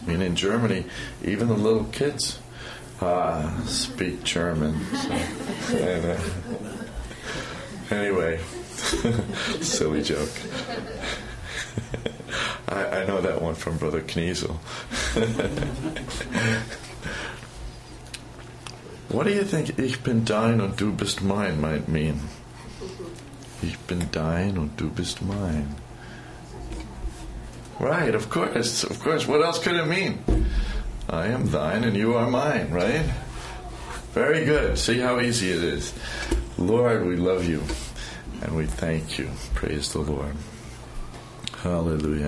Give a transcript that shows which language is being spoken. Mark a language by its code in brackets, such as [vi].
[en] I mean, in Germany, even the little kids speak German. So. And, anyway, silly joke. I know that one from Brother Kniezel. What do you think [de] ich bin dein und du bist mein [en] might mean? [de] Ich bin dein und du bist mein. [en] Right, of course, of course. What else could it mean? I am thine and you are mine, right? Very good. See how easy it is. Lord, we love you and we thank you. Praise the Lord. Hallelujah.